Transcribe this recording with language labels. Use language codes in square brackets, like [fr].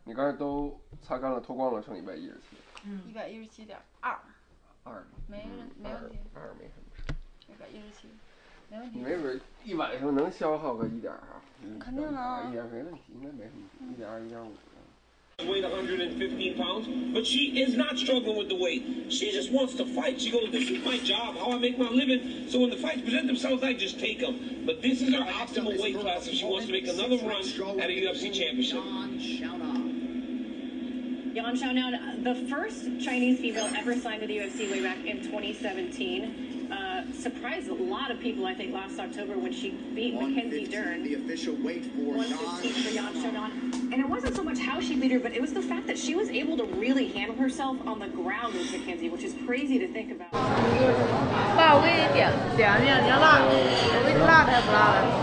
[zh] 你刚才都擦干了脱光了，剩117。嗯， 117.2。二。没问题。二没什么事。 117。你没准一晚上能消耗个一点啊，肯定能，一点没问题，应该没什么，1.2-1.5。 [en] Weighed 115 pounds, but she is not struggling with the weight. She just wants to fight. She goes, "This is my job, how I make my living. So when the fights present themselves, I just take them." But this is her optimal weight class if she wants to make another run at a UFC championship. Yan Xiaonan, the first Chinese female ever signed to the UFC way back in 2017. Surprised a lot of people, I think, last October when she beat Mackenzie Dern. The official weight for Yan Xiaonan. And it wasn't so much how she beat her, but it was the fact that she was able to really handle herself on the ground with Mackenzie, which is crazy to think about. [zh] 爸，我给你点面，你要辣，我给你辣的还不辣的？